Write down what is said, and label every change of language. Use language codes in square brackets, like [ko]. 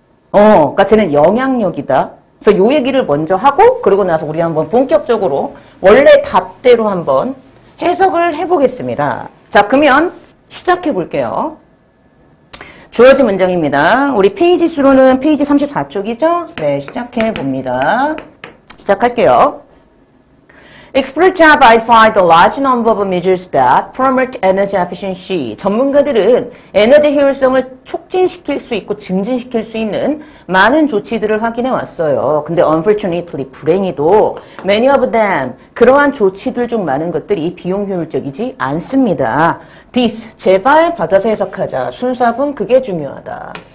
[ko] 그러니까 쟤는 영향력이다. 그래서 요 얘기를 먼저 하고 그러고 나서 우리 한번 본격적으로 원래 답대로 한번 해석을 해보겠습니다. 자, 그러면 시작해 볼게요. 주어진 문장입니다. 우리 페이지 수로는 페이지 34쪽이죠? 네, 시작해 봅니다. 시작할게요. [en] Expert job identified a large number of measures that promote energy efficiency. [ko] 전문가들은 에너지 효율성을 촉진시킬 수 있고 증진시킬 수 있는 많은 조치들을 확인해 왔어요. 근데 [en] unfortunately, [ko] 불행히도 [en] many of them, [ko] 그러한 조치들 중 많은 것들이 비용 효율적이지 않습니다. This, 제발 받아서 해석하자. 순서분 그게 중요하다.